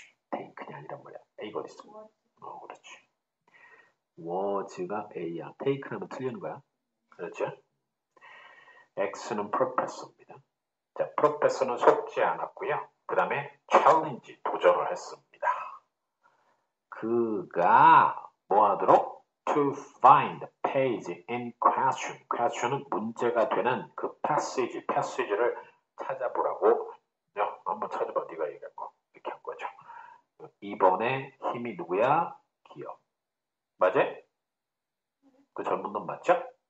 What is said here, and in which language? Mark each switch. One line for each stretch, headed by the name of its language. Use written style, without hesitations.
Korean: 테이크냐 아니란 말이야. A가 어딨어? 그렇지. 워즈가 A야. 테이크라면 틀리는 거야. 그렇죠? X는 프로페서입니다. 자, 프로페서는 속지 않았고요. 그 다음에 챌린지 도전을 했습니다. 그가 뭐 하도록?
English: To find the page in question.
Korean: question은 문제가 되는 그 패시지를 찾아보라고. 야, 한번 찾아봐. 네가 얘기할 거. 이렇게 한 거죠. 이번에 힘이 누구야? 기어. 맞아? 그 젊은 놈 맞죠?